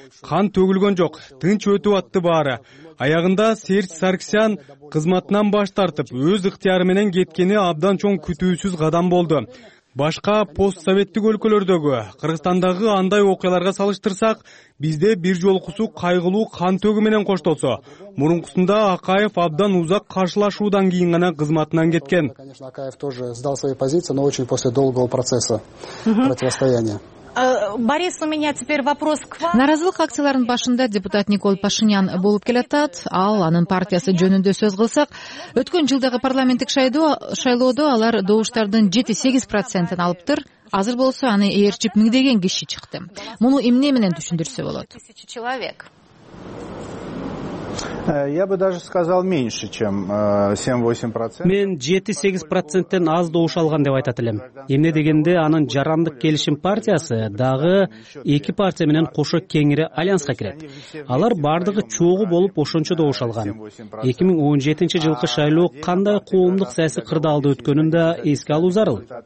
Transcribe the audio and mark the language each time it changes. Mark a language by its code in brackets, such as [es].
[ky] Кан төгүлгөн жок, тынч өтүп атты баары. Аягында Серж Сарксян кызматынан баш тартып, өз ыктыяры менен кеткени абдан чоң күтүүсүз кадам болду. Башка постсоветтик өлкөлөрдөгү Кыргызстандагы андай окуяларга салыштырсак, бизде бир жолкусу кайгылуу кан төгүү менен коштолсо, мурункусунда Акаев абдан узак каршылашуудан кийин гана кызматынан кеткен. [ru] Конечно, Акаев тоже сдал свои позиции, но очень после долгого процесса противостояния. Борис, у меня теперь вопрос к вам. [ky] Наразылык акцияларынын башында депутат Николь Пашинян болуп келатат. Ал анын партиясы жөнүндө сөз кылсак, өткөн жылдагы парламенттик шайлоодо алар добуштардын 7-8% алыптыр. Азыр болсо аны ээрчип миңдеген киши чыкты. Муну эмне менен түшүндүрсө болот? [ru] Я бы даже сказал меньше, чем 7-8%. [ky] Мен 7-8% аз добуш алган деп айтат элем. Эмне дегенде анын жарандык келишим партиясы дагы эки партия менен кошо кеңири альянска кирет. Алар бардыгы чогу болуп ошончо добуш алган. 2017 жылкы шайлоо кандай коомдук саясий кырдаалды өткөнүн да эске алуу зарыл.